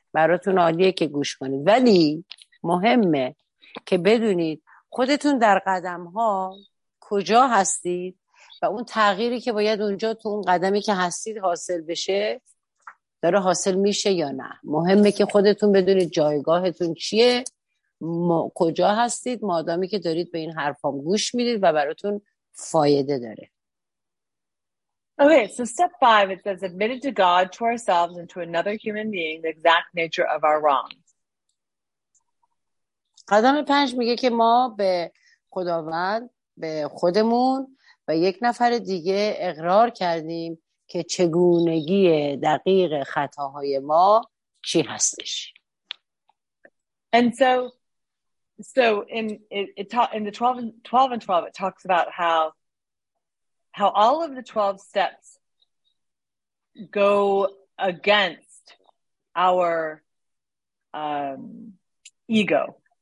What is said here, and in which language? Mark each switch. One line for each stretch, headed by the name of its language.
Persian: براتون عالیه که گوش کنید. ولی مهمه که بدونید خودتون در قدم ها کجا هستید و اون تغییری که باید اونجا تو اون قدمی که هستید حاصل بشه داره حاصل میشه یا نه. مهمه که خودتون بدونید جایگاهتون چیه، کجا هستید، مادامی که دارید به این حرفام گوش میدید و براتون فایده داره.
English: Okay, so step 5, it says admitted to God, to ourselves and to another human being the exact nature of our wrongs.
Persian: قدم 5 میگه که ما به خداوند، به خودمون و یک نفر دیگه اقرار کردیم که چگونگی دقیق خطاهای ما چی هستش.
English: And so in the 12 and 12 it talks about how all of the 12 steps go against our ego.